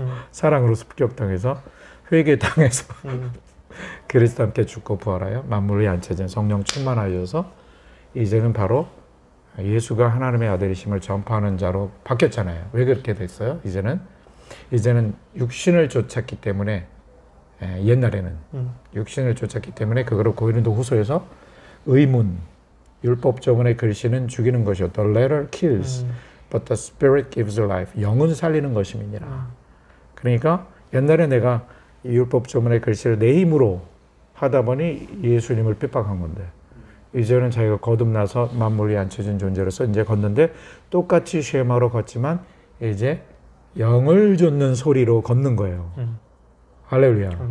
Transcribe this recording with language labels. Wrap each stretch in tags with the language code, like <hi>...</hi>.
<ko>사랑으로 습격당해서 회개당해서 그리스도 함께 죽고 부활하여 만물이 안채진 성령 충만하여서 이제는 바로 예수가 하나님의 아들이심을 전파하는 자로 바뀌었잖아요. 왜 그렇게 됐어요? 이제는 육신을 쫓았기 때문에 옛날에는 육신을 쫓았기 때문에 그거를 고린도 후서에서 의문, 율법조문의 글씨는 죽이는 것이요.</ko> <en>The letter kills, but the spirit gives life.</en> <ko>영은 살리는 것임이니라. 그러니까 옛날에 내가 율법조문의 글씨를 내 힘으로 하다 보니 예수님을 핍박한 건데 이제는 자기가 거듭나서 만물이 앉혀진 존재로서 이제 걷는데 똑같이 쉐마로 걷지만 이제 영을 좇는 소리로 걷는 거예요. 할렐루야.</ko>